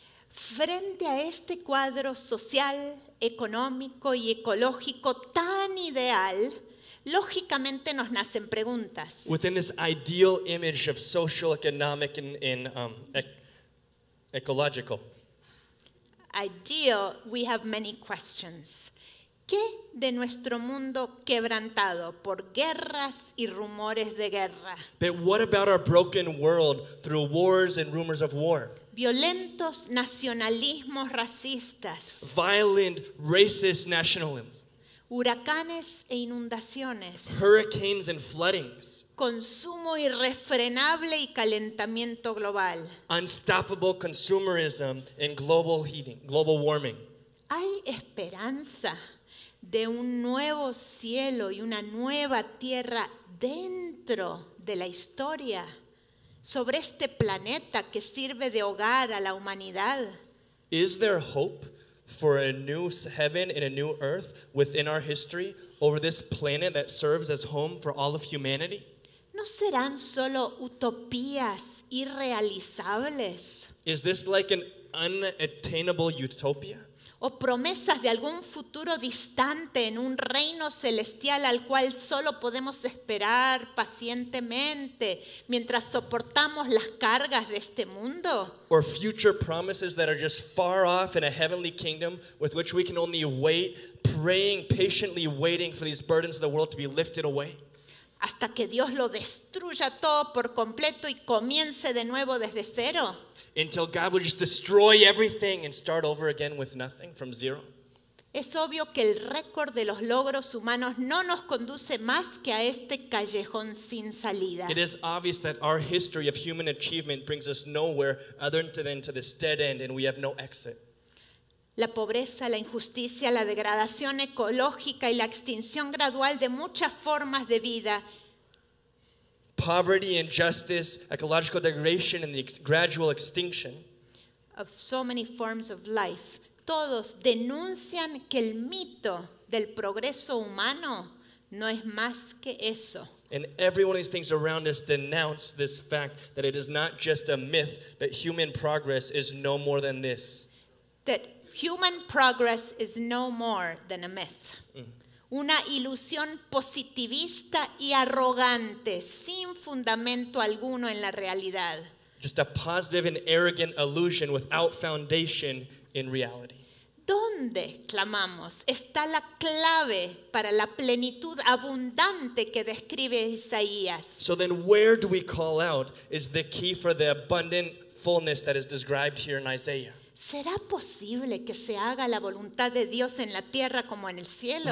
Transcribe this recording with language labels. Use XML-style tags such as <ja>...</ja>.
<es>Frente a este cuadro social, económico y ecológico tan ideal, lógicamente nos nacen preguntas.</es> <en>Within this ideal image of social, economic, and ecological. Ideal, we have many questions.</en> <es>¿Qué de nuestro mundo quebrantado por guerras y rumores de guerra?</es> <en>But what about our broken world through wars and rumors of war?</en> <es>Violentos nacionalismos racistas.</es> <en>Violent racist nationalisms.</en> <es>Huracanes e inundaciones.</es> <en>Hurricanes and floodings.</en> <es>Consumo irrefrenable y calentamiento global.</es> <en>Unstoppable consumerism and global heating, global warming.</en> <es>¿Hay esperanza de un nuevo cielo y una nueva tierra dentro de la historia? Sobre este planeta que sirve de hogar a la humanidad.</es> <en>Is there hope for a new heaven and a new earth within our history over this planet that serves as home for all of humanity?</en> <es>¿No serán solo utopías irrealizables?</es> <en>Is this like an unattainable utopia?</en> <es>¿O promesas de algún futuro distante en un reino celestial al cual solo podemos esperar pacientemente mientras soportamos las cargas de este mundo?</es> <en>Or future promises that are just far off in a heavenly kingdom with which we can only wait, praying, patiently waiting for these burdens of the world to be lifted away?</en> <es>Hasta que Dios lo destruya todo por completo y comience de nuevo desde cero.</es> <en>Until God will just destroy everything and start over again with nothing from zero.</en> <es>Es obvio que el récord de los logros humanos no nos conduce más que a este callejón sin salida.</es> <en>It is obvious that our history of human achievement brings us nowhere other than to this dead end, and we have no exit.</en> <es>La pobreza, la injusticia, la degradación ecológica y la extinción gradual de muchas formas de vida.</es> <en>Poverty, injustice, ecological degradation, and the gradual extinction of so many forms of life.</en> <es>Todos denuncian que el mito del progreso humano no es más que eso.</es> <en>And every one of these things around us denounce this fact that it is not just a myth, but human progress is no more than this. That human progress is no more than a myth.</en> <es>Una ilusión positivista y arrogante, sin fundamento alguno en la realidad.</es> <en>Just a positive and arrogant illusion without foundation in reality.</en> <es>¿Dónde clamamos? Está la clave para la plenitud abundante que describe Isaías.</es> <en>So then where do we call out is the key for the abundant fullness that is described here in Isaiah.</en> <es>¿Será posible que se haga la voluntad de Dios en la tierra como en el cielo?</es>